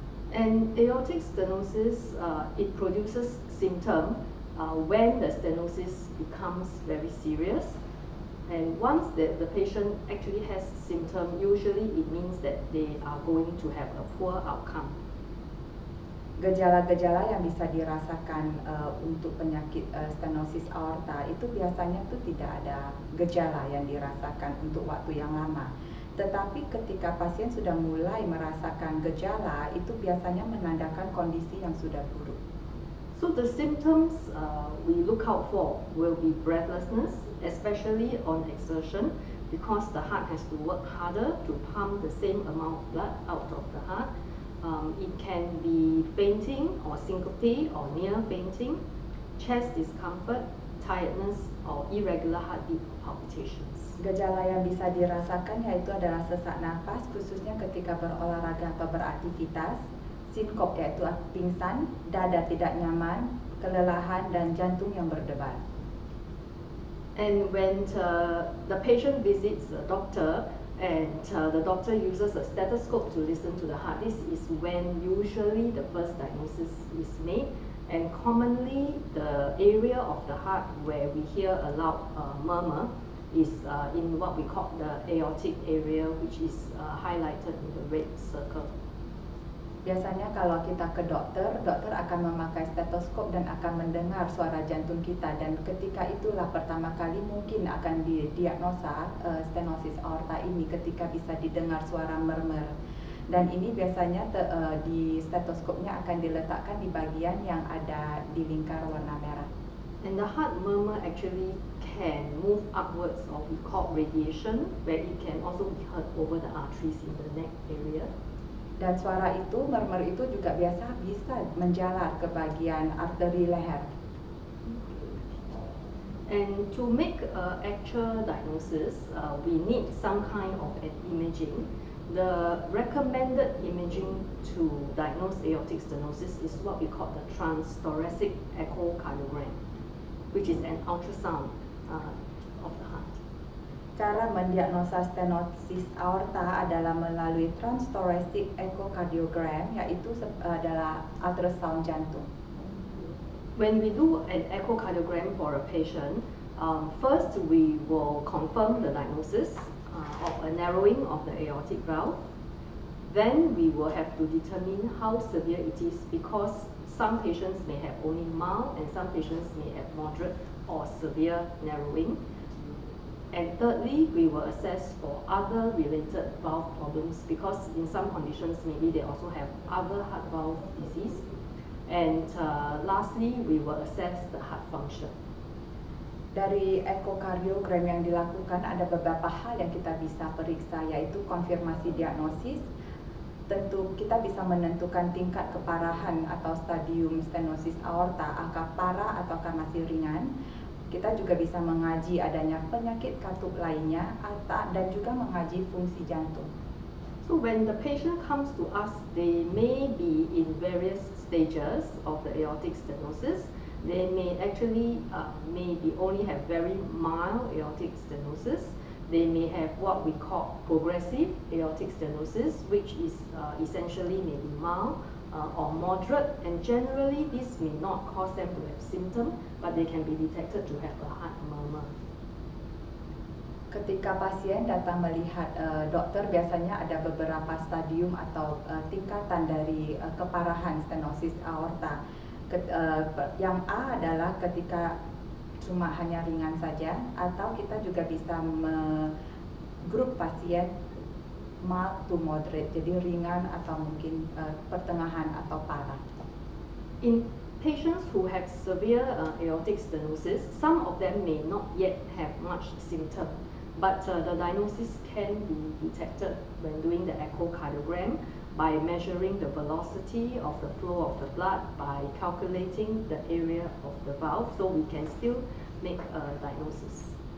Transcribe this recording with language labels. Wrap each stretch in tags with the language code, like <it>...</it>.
<en>And aortic stenosis, it produces symptom when the stenosis becomes very serious. And once the patient actually has symptom, usually it means that they are going to have a poor outcome.</en> <id>Gejala-gejala yang bisa dirasakan untuk penyakit stenosis aorta itu biasanya tuh tidak ada gejala yang dirasakan untuk waktu yang lama. Tetapi ketika pasien sudah mulai merasakan gejala, itu biasanya menandakan kondisi yang sudah buruk.</id> <en>So the symptoms we look out for will be breathlessness, especially on exertion, because the heart has to work harder to pump the same amount of blood out of the heart. It can be fainting or syncope or near fainting, chest discomfort, tiredness, or irregular heartbeat palpitations.</en> <id>Gejala yang bisa dirasakan yaitu adalah sesak nafas, khususnya ketika berolahraga atau beraktivitas, syncope yaitu pingsan, dada tidak nyaman, kelelahan, dan jantung yang berdebar.</id> <en>And when the patient visits the doctor, and the doctor uses a stethoscope to listen to the heart. This is when usually the first diagnosis is made, and commonly the area of the heart where we hear a loud murmur is in what we call the aortic area, which is highlighted in the red circle.</en> <id>Biasanya kalau kita ke dokter, dokter akan memakai stetoskop dan akan mendengar suara jantung kita, dan ketika itulah pertama kali mungkin akan didiagnosa stenosis aorta ini, ketika bisa didengar suara murmur. Dan ini biasanya di stetoskopnya akan diletakkan di bagian yang ada di lingkar warna merah.</id> <en>And the heart murmur actually can move upwards, or we call radiation, where it can also be heard over the arteries in the neck area.</en> <id>Dan suara itu, murmur itu juga biasa bisa menjalar ke bagian arteri leher.</id> <en>And to make an actual diagnosis, we need some kind of an imaging. The recommended imaging to diagnose aortic stenosis is what we call the transthoracic echocardiogram, which is an ultrasound of the heart.</en> <id>Cara mendiagnosa stenosis aorta adalah melalui transthoracic echocardiogram, yaitu adalah ultrasound jantung.</id> <en>When we do an echocardiogram for a patient, first we will confirm the diagnosis of a narrowing of the aortic valve. Then we will have to determine how severe it is, because some patients may have only mild and some patients may have moderate or severe narrowing. And thirdly, we will assess for other related valve problems, because in some conditions, maybe they also have other heart valve disease. And lastly, we will assess the heart function.</en> <id>Dari echocardiogram yang dilakukan, ada beberapa hal yang kita bisa periksa, yaitu konfirmasi diagnosis. Tentu kita bisa menentukan tingkat keparahan atau stadium stenosis aorta, apakah parah ataukah masih ringan. Kita juga bisa mengaji adanya penyakit katup lainnya dan juga mengaji fungsi jantung.</id> <en>So when the patient comes to us, they may be in various stages of the aortic stenosis. They may actually maybe only have very mild aortic stenosis. They may have what we call progressive aortic stenosis, which is essentially maybe mild or moderate, and generally this may not cause them to have symptom, but they can be detected to have a heart murmur.</en> <id>Ketika pasien datang melihat dokter, biasanya ada beberapa stadium atau tingkatan dari keparahan stenosis aorta. Yang A adalah ketika cuma hanya ringan saja, atau kita juga bisa grup pasien</id> <en>mild to moderate,</en> <id>jadi ringan atau mungkin pertengahan atau parah.</id> <en>In patients who have severe aortic stenosis, some of them may not yet have much symptom, but the diagnosis can be detected when doing the echocardiogram by measuring the velocity of the flow of the blood, by calculating the area of the valve, so we can still make a diagnosis.</en>